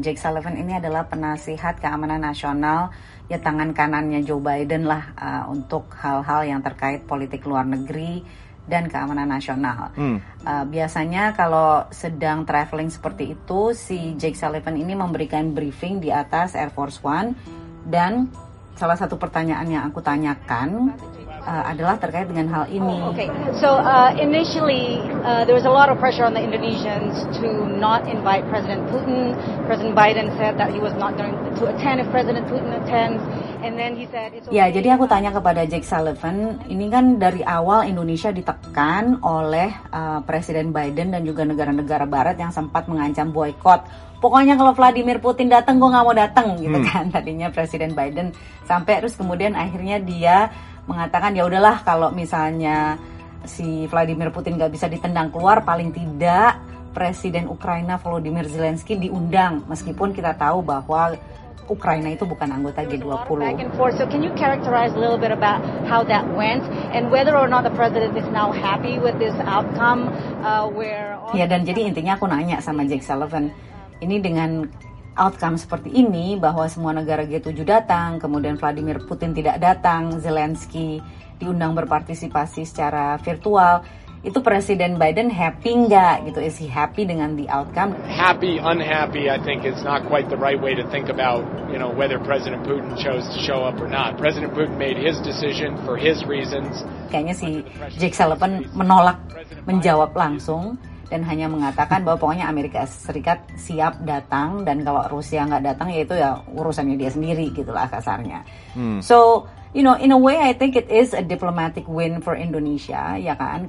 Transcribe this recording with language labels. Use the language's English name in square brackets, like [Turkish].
[Indonesian] Jake Sullivan ini adalah penasihat keamanan nasional, ya tangan kanannya Joe Biden lah, untuk hal-hal yang terkait politik luar negeri dan keamanan nasional. Biasanya kalau sedang traveling seperti itu, si Jake Sullivan ini memberikan briefing di atas Air Force One. Dan salah satu pertanyaan yang aku tanyakan adalah terkait dengan hal ini. [English] Initially there was a lot of pressure on the Indonesians to not invite President Putin. President Biden said that he was not going to attend if President Putin attends. And then he said it's okay. [Indonesian] Ya, jadi aku tanya kepada Jake Sullivan, ini kan dari awal Indonesia ditekan oleh Presiden Biden dan juga negara-negara Barat yang sempat mengancam boikot. Pokoknya kalau Vladimir Putin datang, gue nggak mau datang, gitu kan? Tadinya Presiden Biden sampai terus kemudian akhirnya dia mengatakan ya udahlah kalau misalnya si Vladimir Putin nggak bisa ditendang keluar, paling tidak Presiden Ukraina Volodymyr Zelensky diundang, meskipun kita tahu bahwa Ukraina itu bukan anggota G20. [English] So can you characterize a little bit about how that went and whether or not the president is now happy with this outcome where all... [Indonesian] Ya, dan jadi intinya aku nanya sama Jake Sullivan, ini dengan outcome seperti ini bahwa semua negara G7 datang, kemudian Vladimir Putin tidak datang, Zelensky diundang berpartisipasi secara virtual, itu Presiden Biden happy nggak gitu? [English] Is he happy [Indonesian] dengan [English] the outcome? Happy, unhappy, I think it's not quite the right way to think about, you know, whether President Putin chose to show up or not. President Putin made his decision for his reasons. [Indonesian] Kayaknya si Jake Sullivan menolak menjawab langsung dan hanya mengatakan bahwa pokoknya Amerika Serikat siap datang dan kalau Rusia nggak datang ya itu ya urusannya dia sendiri gitulah kasarnya. [English] So, you know, in a way I think it is a diplomatic win for Indonesia, [Indonesian] ya kan?